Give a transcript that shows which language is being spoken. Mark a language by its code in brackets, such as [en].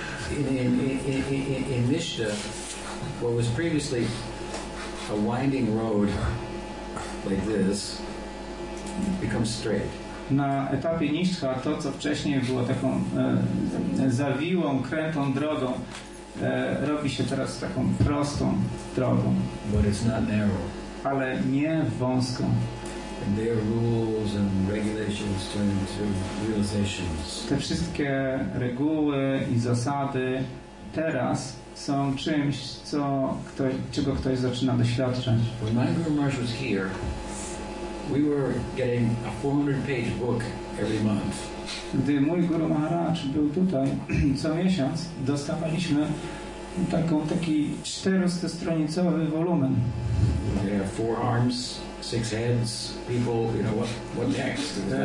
[en] In Nishta, what was previously a winding road like this, becomes straight. [pl] Na etapie Nishta to, co wcześniej było taką zawiłą, krętą drogą, robi się teraz taką prostą drogą. [en] But it's not narrow. [pl] Ale nie wąską. [en] And their rules and regulations turn into realizations. [pl] Te wszystkie reguły i zasady teraz są czymś, czego ktoś zaczyna doświadczać. [en] When my Guru Maharaj was here, we were getting a 400-page book every month. [pl] Gdy mój Guru Maharaj był tutaj, co miesiąc dostawaliśmy taki 400-stronicowy wolumen. [en] They have four arms, six heads, people, you know, what next?